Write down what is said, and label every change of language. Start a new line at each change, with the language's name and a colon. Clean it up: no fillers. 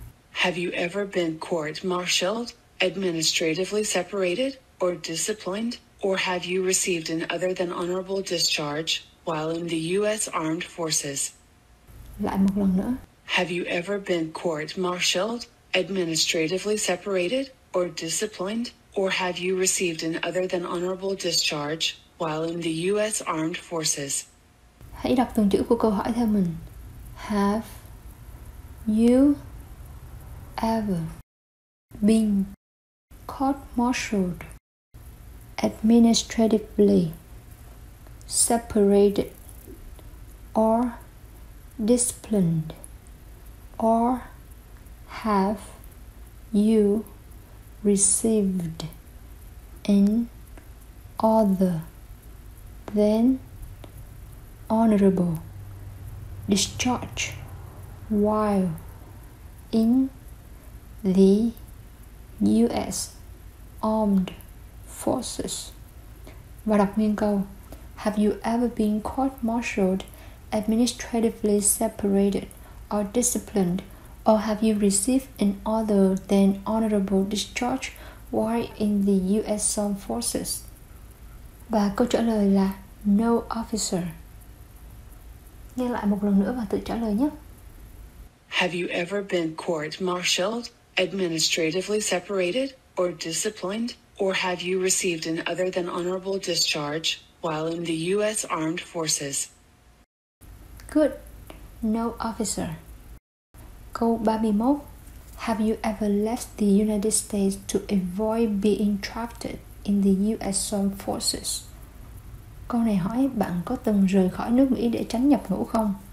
English: Have you ever been court-martialed, administratively separated, or disciplined, or have you received an other than honorable discharge while in the U.S. Armed Forces?
Vietnamese: Lại một lần nữa.
English: Have you ever been court-martialed, administratively separated, or disciplined, or have you received an other than honorable discharge while in the U.S. Armed Forces?
Vietnamese: Hãy đọc từng chữ của câu hỏi theo mình.
English: Have you ever been court-martialed, administratively separated, or disciplined, or have you received an other than honorable discharge while in the U.S. Armed Forces?
Vietnamese: Và đọc nguyên câu.
English: Have you ever been court-martialed, administratively separated, or disciplined, or have you received an other than honorable discharge while in the U.S. Armed Forces?
Vietnamese: Và câu trả lời là
English: no, officer.
Vietnamese: Nghe lại một lần nữa và tự trả lời nhé.
English: Have you ever been court-martialed, administratively separated, or disciplined, or have you received an other than honorable discharge while in the U.S. Armed Forces? Good. No, officer.
Vietnamese: Câu 31.
English: Have you ever left the United States to avoid being trapped in the U.S. Armed Forces?
Vietnamese: Câu này hỏi, bạn có từng rời khỏi nước Mỹ để tránh nhập ngũ không?